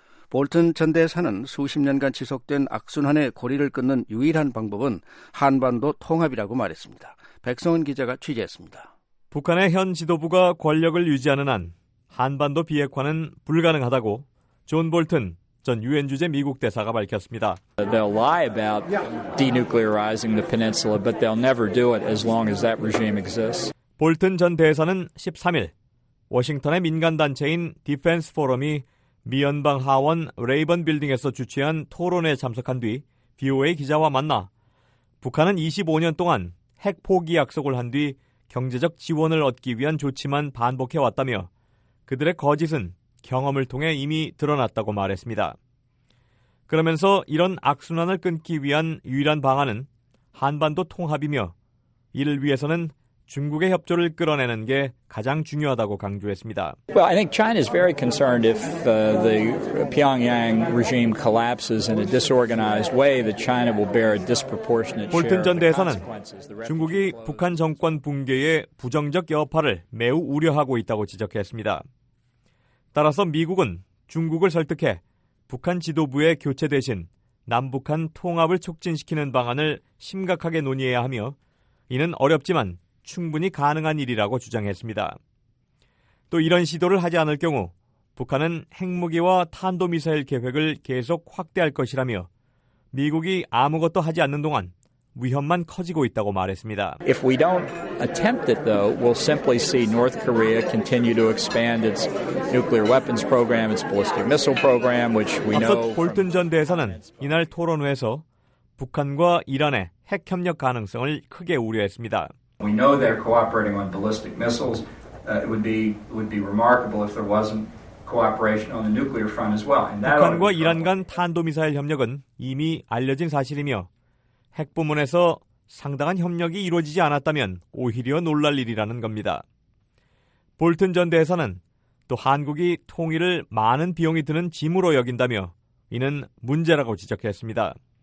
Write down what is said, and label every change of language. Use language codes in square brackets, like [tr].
[ko] 볼튼 전 대사는 수십 년간 지속된 악순환의 고리를 끊는 유일한 방법은 한반도 통합이라고 말했습니다. 백성은 기자가 취재했습니다. 북한의 현 지도부가 권력을 유지하는 한 한반도 비핵화는 불가능하다고 존 볼튼 전 유엔 주재 미국 대사가 밝혔습니다. [en] They'll lie about denuclearizing the peninsula, but they'll never do it as long as that regime exists. [ko] 볼튼 전 대사는 13일 워싱턴의 민간 단체인 디펜스 포럼이 미 연방 하원 레이번 빌딩에서 주최한 토론에 참석한 뒤 VOA 기자와 만나 북한은 25년 동안 핵 포기 약속을 한 뒤 경제적 지원을 얻기 위한 조치만 반복해 왔다며 그들의 거짓은 경험을 통해 이미 드러났다고 말했습니다. 그러면서 이런 악순환을 끊기 위한 유일한 방안은 한반도 통합이며 이를 위해서는 중국의 협조를 끌어내는 게 가장 중요하다고 강조했습니다. [en] Well, I think China is very concerned if the Pyongyang regime collapses in a disorganized way that China will bear a disproportionate share. [ko] 볼튼 전 대사는 중국이 북한 정권 붕괴의 부정적 여파를 매우 우려하고 있다고 지적했습니다. 따라서 미국은 중국을 설득해 북한 지도부의 교체 대신 남북한 통합을 촉진시키는 방안을 심각하게 논의해야 하며 이는 어렵지만 충분히 가능한 일이라고 주장했습니다. 또 이런 시도를 하지 않을 경우 북한은 핵무기와 탄도미사일 계획을 계속 확대할 것이라며 미국이 아무것도 하지 않는 동안 위험만 커지고 있다고 말했습니다. [en] If we don't attempt it though, we'll simply see North Korea continue to expand its nuclear weapons program, its ballistic missile program, which we know. [ko] 앞서 볼튼 전 대사는 이날 토론회에서 북한과 이란의 핵 협력 가능성을 크게 우려했습니다. [en] We know they're cooperating on ballistic missiles. It would be remarkable if there wasn't cooperation on the nuclear front as well. [ko] 북한과 이란 간 탄도미사일 협력은 이미 알려진 사실이며 핵 부문에서 상당한 협력이 이루어지지 않았다면 오히려 놀랄 일이라는 겁니다. 볼튼 전 대사는 또 한국이 통일을 많은 비용이 드는 짐으로 여긴다며 이는 문제라고 지적했습니다.